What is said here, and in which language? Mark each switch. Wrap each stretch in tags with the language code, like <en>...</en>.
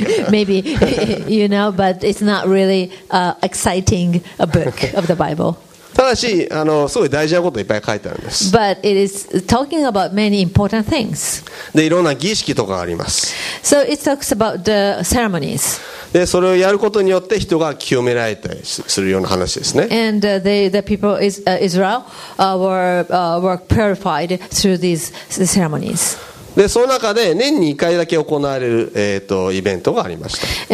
<en>Maybe you know, but it's not really exciting a book of the Bible.</en> <ja>ただし、すごい大事なこといっぱい書いてあるんです。</ja> <en>But it is talking about many important things.</en> <ja>でいろんな儀式とかあります。</ja> <en>So it talks about the ceremonies.</en> <ja>でそれをやることによって人が清められたりするような話ですね。</ja> <en>And the people is Israel were purified through these ceremonies.</en> <ja>でその中で年に1回だけ行われる、イベントがありました。</ja>